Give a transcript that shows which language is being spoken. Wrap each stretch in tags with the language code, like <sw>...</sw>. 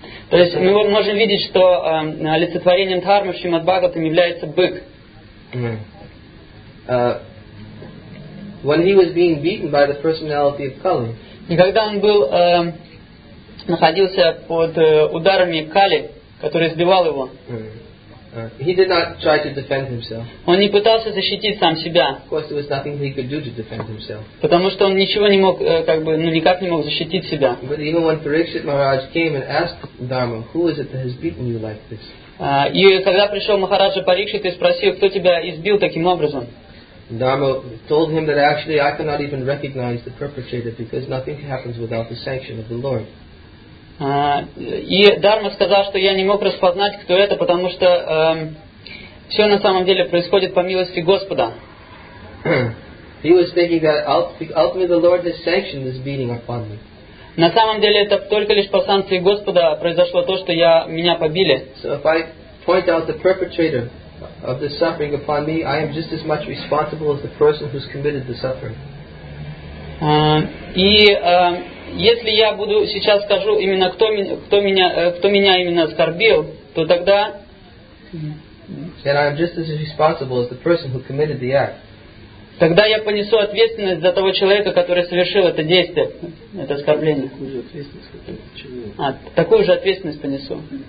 <ru>То есть мы можем видеть, что олицетворением дхармы Шримад Бхагаватам является бык.</ru> <en>When he was being beaten by the personality of Kali.</en> <ru>И когда он был находился под ударами Кали, который сбивал его.</ru> <en>He did not try to defend himself.</en> <ru>Он не пытался защитить сам себя.</ru> <en>Of course, there was nothing he could do to defend himself.</en> <ru>Потому что он ничего не мог, как бы, ну, никак не мог защитить себя.</ru> <en>But even when Parikshit Maharaj came and asked Dharma, who is it that has beaten you like this?</en> <ru>И когда пришел Махараджа Парикшит и спросил, кто тебя избил таким образом?</ru> <en>Dharma told him that actually I cannot even recognize the perpetrator because nothing happens without the sanction of the Lord.</en> <ru>И Дарма сказал, что я не мог распознать, кто это, потому что все на самом деле происходит по милости Господа.</ru> <en>He was thinking that ultimately the Lord has sanctioned this beating upon me.</en> <ru>На самом деле это только лишь по санкции Господа произошло то, что меня побили.</ru> <en>So if I point out the perpetrator of the suffering upon me, I am just as much responsible as the person who's committed the suffering.</en> <ru>Если я буду сейчас скажу именно кто меня именно оскорбил, то тогда</ru> <en>and I'm just as responsible as the person who committed the act.</en> <ru>Тогда я понесу ответственность за того человека, который совершил это действие, это оскорбление. Такую же ответственность понесу.</ru>